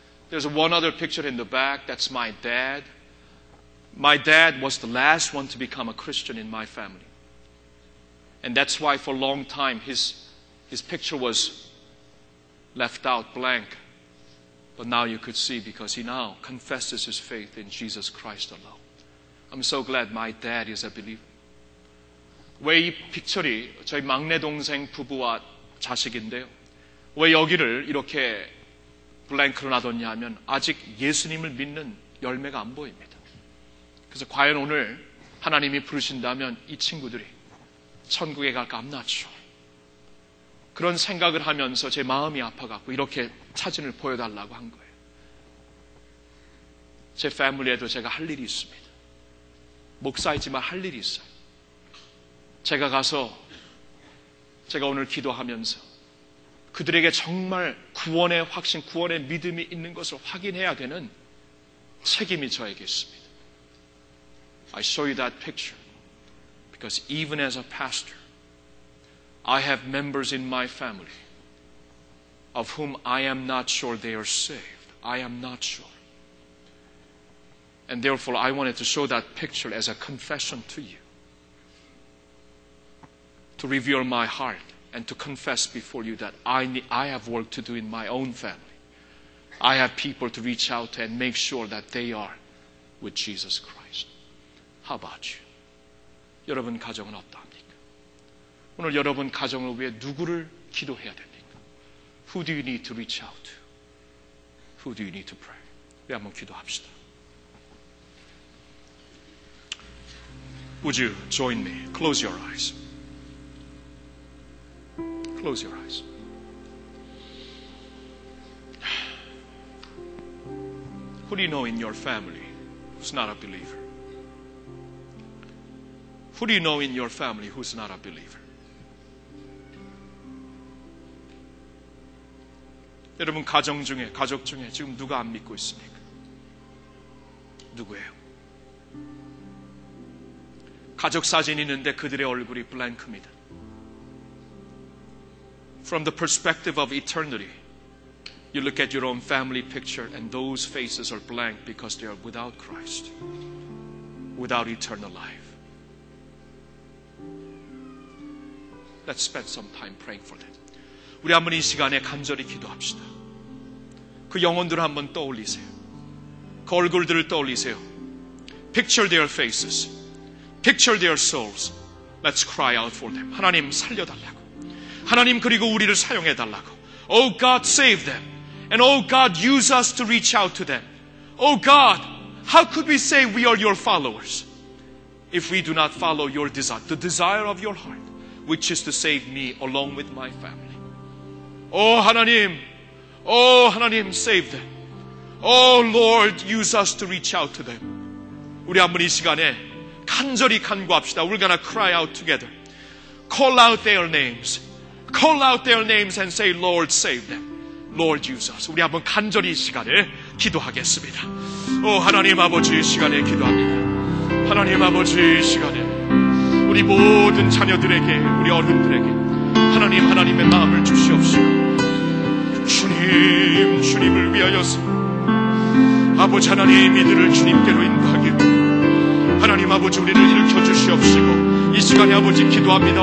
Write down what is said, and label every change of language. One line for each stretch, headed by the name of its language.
English: There's one other picture in the back. That's my dad. My dad was the last one to become a Christian in my family. And that's why for a long time his picture was left out blank. But now you could see because he now confesses his faith in Jesus Christ alone. I'm so glad my dad is a believer.
Korean: 왜 이 픽처리 저희 막내 동생 부부와 자식인데요. 왜 여기를 이렇게 블랭크로 놔뒀냐 하면 아직 예수님을 믿는 열매가 안 보입니다. 그래서 과연 오늘 하나님이 부르신다면 이 친구들이 천국에 갈까
English: I'm not sure.
Korean: 그런 생각을 하면서 제 마음이 아파갖고 이렇게 사진을 보여달라고 한 거예요. 제 패밀리에도 제가 할 일이 있습니다. 목사이지만 할 일이 있어요. 제가 가서 제가 오늘 기도하면서 그들에게 정말 구원의 확신, 구원의 믿음이 있는 것을 확인해야 되는 책임이 저에게 있습니다.
English: I show you that picture because even as a pastor, I have members in my family of whom I am not sure they are saved. I am not sure. And therefore, I wanted to show that picture as a confession to you, to reveal my heart and to confess before you that I have work to do in my own family. I have people to reach out to and make sure that they are with Jesus Christ. How about you?
Korean: 여러분 가정은 어떠합니까? 오늘 여러분 가정을 위해 누구를 기도해야 됩니까?
English: Who do you need to reach out to? Who do you need to pray?
Korean: 우리 한번 기도합시다.
English: Would you join me? Close your eyes. Close your eyes. Who do you know in your family who's not a believer? Who do you know in your family who's not a believer?
Korean: 여러분 가정 중에, 가족 중에 지금 누가 안 믿고 있습니까? 누구예요? 가족 사진이 있는데 그들의 얼굴이 블랭크입니다.
English: From the perspective of eternity, you look at your own family picture and those faces are blank because they are without Christ, without eternal life. Let's spend some time praying for them.
Korean: 우리 한번 이 시간에 간절히 기도합시다. 그 영혼들을 한번 떠올리세요. 그 얼굴들을 떠올리세요.
English: Picture their faces. Picture their souls. Let's cry out for them.
Korean: 하나님 살려달라고. 하나님 그리고 우리를 사용해 달라고.
English: Oh God, save them. And oh God, use us to reach out to them. Oh God, how could we say we are your followers if we do not follow your desire, the desire of your heart, which is to save me along with my family. Oh 하나님, save them. Oh Lord, use us to reach out to them.
Korean: 우리 한번 이 시간에 간절히 간구합시다.
English: We're gonna cry out together. Call out their names. Call out their names and say, Lord, save them. Lord, use us.
Korean: 우리 한번 간절히 이 시간을 기도하겠습니다. 오, 하나님 아버지 이 시간에 기도합니다. 하나님 아버지 이 시간에 우리 모든 자녀들에게, 우리 어른들에게 하나님, 하나님의 마음을 주시옵시오. 주님, 주님을 위하여서 아버지 하나님 이들을 주님께로 인도하기로 하나님 아버지 우리를 일으켜주시옵시고 이 시간에 아버지 기도합니다.